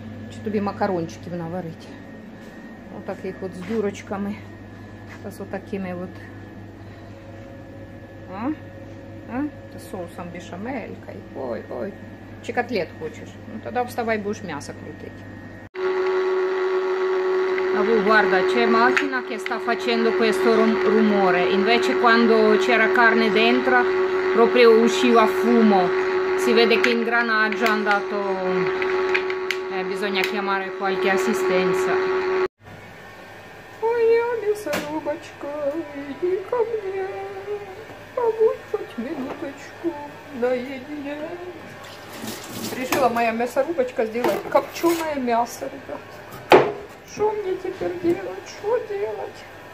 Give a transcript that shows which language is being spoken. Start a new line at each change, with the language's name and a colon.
Russian: Что тебе макарончики наварить? Вот таких вот с дурочками. С вот такими вот. А? С соусом бешамелькой. Ой. Чи котлет хочешь? Ну тогда вставай, будешь мясо крутить.
Italian: Guarda, c'è macchina che sta facendo questo rumore. Invece quando c'era carne dentro proprio usciva fumo. Si vede che ingranaggio è andato. Bisogna chiamare qualche assistenza.
Russian: Ой, Алиса, Любочка, иди ко мне. Побудь хоть минуточку наедине. Решила моя мясорубочка сделать копченое мясо, ребят. Что мне теперь делать? Что делать?